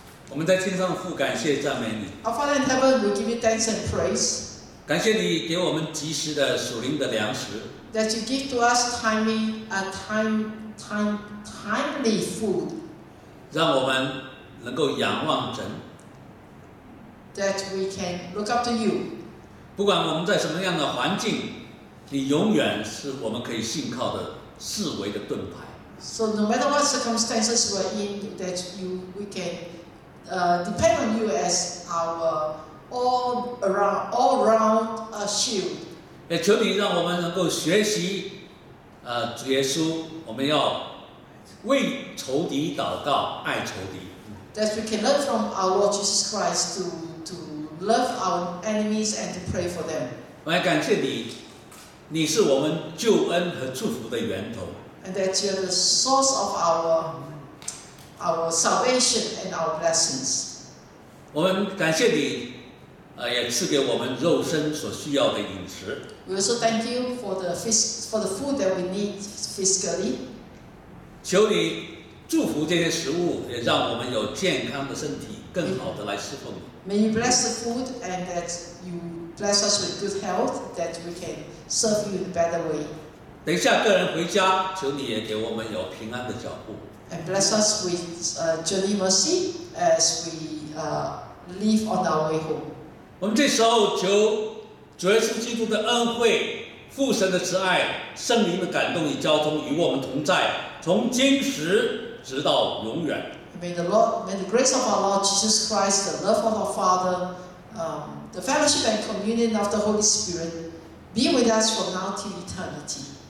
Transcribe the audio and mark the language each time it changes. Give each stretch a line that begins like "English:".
Chinese: 我们在天上父，感谢赞美你。
English: Our Father in heaven, we give you thanks and praise.
Chinese: 感谢你给我们及时的属灵的粮食。
English: That you give to us timely food.
Chinese: 让我们能够仰望神。
English: That we can look up to you.
Chinese: 不管我们在什么样的环境，你永远是我们可以信靠的四维的盾牌。
English: So no matter what circumstances we're in, that we can depend on you as our all around shield.
Chinese: 也求你让我们能够学习，主耶稣，我们要为仇敌祷告，爱仇敌。
English: That we can learn from our Lord Jesus Christ to love our enemies and to pray for them.
Chinese: 我来感谢你，你是我们救恩和祝福的源头。
English: And that you are the source of our salvation and our blessings.
Chinese: 我们感谢你，也赐给我们肉身所需要的饮食。
English: We also thank you for the food that we need physically.
Chinese: 求你祝福这些食物，也让我们有健康的身体，更好的来侍奉你。
English: May you bless the food and that you bless us with good health, that we can serve you in a better way.
Chinese: 等一下个人回家，求你也给我们有平安的脚步。
English: And bless us with journey mercy as we leave on our way home.
Chinese: 我们这时候求主耶稣基督的恩惠、父神的慈爱、圣灵的感动与交通与我们同在，从今时直到永远。
English: May the grace of our Lord Jesus Christ, the love of our Father, the fellowship and communion of the Holy Spirit be with us from now till eternity.